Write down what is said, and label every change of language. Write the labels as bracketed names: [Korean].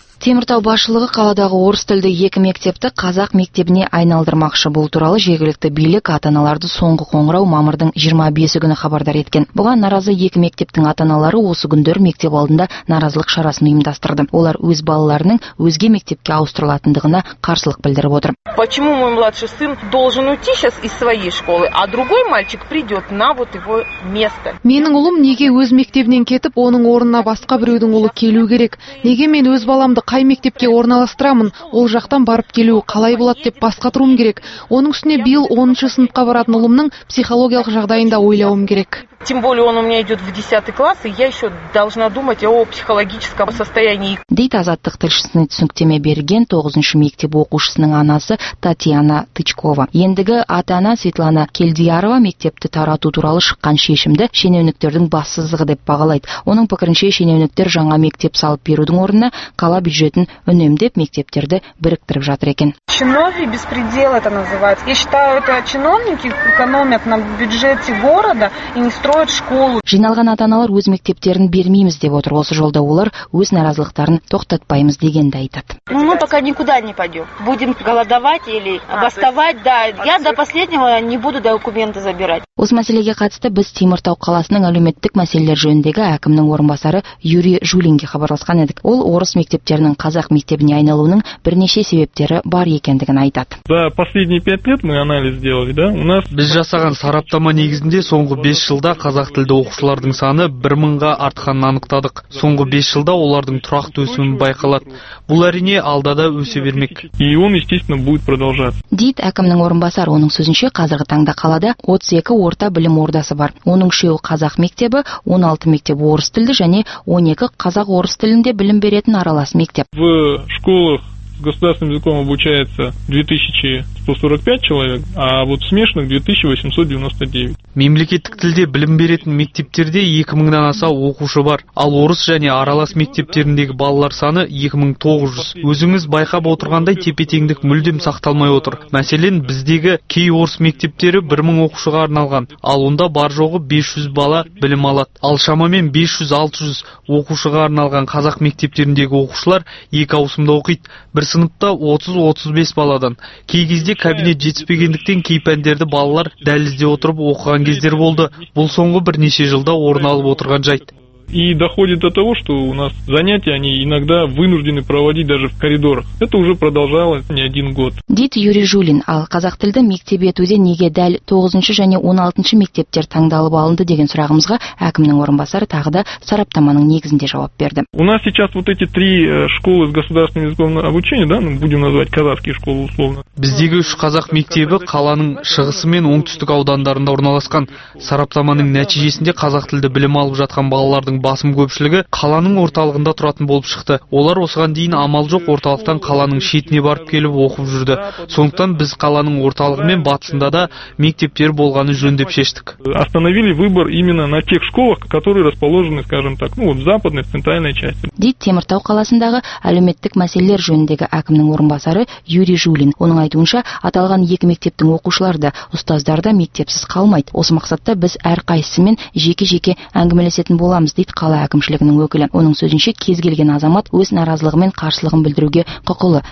[Kazakh] Теміртау басшылығы қаладағы орыс тілді екі мектепті қазақ мектебіне айналдырмақшы. Бұл туралы жергілікті билік ата-аналарды соңғы қоңырау мамырдың 25-ші күні хабардар еткен. Бұған наразы екі мектептің ата-аналары осы күндер мектеп алдында наразылық шарасын ұйымдастырды. Олар өз балаларының өзге мектепке ауыстырылатындығына қарсылық білдіріп отыр. [Russian] Почему мой младший сын должен уйти сейчас из своей школы, а другой мальчик придет на вот его место? [Kazakh] Менің ұлым неге өз мектебінен кетіп, оның орнына басқа біреудің ұлы келу керек? Неге мен өз баламды қай мектепке орналастырамын? Ол жақтан барып келу қалай болады деп бас қатыруым керек. Оның үстіне биыл 10-шы сыныпқа баратын ұлымның психологиялық жағдайында ойлауым керек. [Russian] Тем более он у меня идет в 10 класс, и я еще должна думать о психологическом состоянии. [Kazakh] Дейт Азаттық тілшісіне түсініктеме берген 9-шы мектеп оқушысының анасы Татьяна Тычкова. Ендігі ата-ана Светлана Келдиярова мектепті тарату туралы шыққан шешімді шенеуніктердің бассыздығы деп бағалайды. Оның пікірінше шенеуніктер жаңа мектеп салып берудің орнына қала бюджетін үнемдеп мектептерді біріктіріп жатыр екен. [Russian] Чиновники беспредел это называют. Я считаю, это чиновники экономят на бюджете города и не строят школу. [Kazakh] Жиналған ата-аналар өз мектептерін бермейміз деп отыр. Осы жолда олар өз наразылықтарын тоқтатпаймыз дегенді айтады. [Russian] Мы пока никуда не пойдем. Будем голодовать или бастовать. Да, я до последнего не буду документы забирать. [Kazakh] Осы мәселеге қатысты біз Теміртау қаласының әлеуметтік мәселелер жөніндегі әкімнің орынбасары Юрий Жулинге хабарласқан едік. Ол орыс мектептерін мектептерінің қазақ мектебіне айналуының бірнеше себептері бар екендігін айтады. [Russian] Да, последние 5 лет мы анализ сделали, да? У нас [Kazakh] біз жасаған сараптама негізінде соңғы 5 жылда қазақ тілді оқушылардың саны 1000-ға артқанын анықтадық. Соңғы 5 жылда олардың тұрақты өсімі байқалады. Бұл әрине алда да өсе бермек. [Russian] И он, естественно, будет продолжать. [Kazakh] Дит әкімнің орынбасары, оның сөзінше, қазіргі таңда қалада 32 орта білім ордасы бар. Оның 3-і қазақ мектебі, 16 мектеп орыс тілді және 12 қазақ орыс тілінде білім беретін аралас мектеп. [Russian] В школах с государственным языком обучается 2145 человек, а вот смешанных 2899. [Kazakh] Мемлекеттік тілде білім беретін мектептерде 2000-нан аса оқушы бар. Ал орыс және аралас мектептеріндегі балалар саны 2900. Өзіңіз байқап отырғандай тепе-теңдік мүлдем сақталмай отыр. Мәселен, біздегі кей орыс мектептері 1000 оқушыға арналған, ал онда бар жоғы 500 бала білім алады. Ал шамамен 500-600 оқушыға арналған қазақ мектептеріндегі оқушылар 2 ауысымда оқиды. Бір сыныпта 30-35 баладан. Кей кезде кабинет жетіспегендіктен кей пәндерді балалар дәлізде отырып оқыған кездер болды. Бұл соңғы бірнеше жылда орын алып отырған жайт. [Russian] И доходит до того, что у нас занятия они иногда вынуждены проводить даже в коридорах. Это уже продолжалось не один год. [Kazakh] Дит Юрий Жулин, ал қазақ тілді мектебі өтуде неге дәл 9-шы және 16-шы мектептер таңдалып алынды деген сұрағымызға әкімнің орынбасары тағы да сараптаманың негізінде жауап берді. [Russian] У нас сейчас вот эти три школы с государственным языком обучения, да, будем назвать казахские школы условно. [Kazakh] Біздегі 3 қазақ мектебі қаланың шығысы мен оңтүстік аудандарында орналасқан. Сараптаманың нәтижесінде қазақ тілді білім алып жатқан балалар басым көпшілігі қаланың орталығында тұратын болып шықты. Олар осыған дейін амал жоқ орталықтан қаланың шетіне барып келіп оқып жүрді. Сондықтан біз қаланың орталығы мен батысында да мектептер болғаны жөн деп шештік. [Russian] Остановили выбор именно на тех школах, которые расположены, скажем так, ну, в западной центральной части. [Kazakh] Дит Теміртау қаласындағы әлеуметтік мәселелер жөніндегі әкімнің орынбасары Юрий Жулин. Оның айтуынша, аталған екі мектептің оқушылары да, ұстаздары да мектепсіз қалмайды. Осы мақсатта біз әрқайсысымен жеке-жеке әңгімелесетін боламыз. Дит қала әкімшілігінің өкілі. Оның сөзінше, кез келген азамат өз наразылығы мен қарсылығын білдіруге құқылы.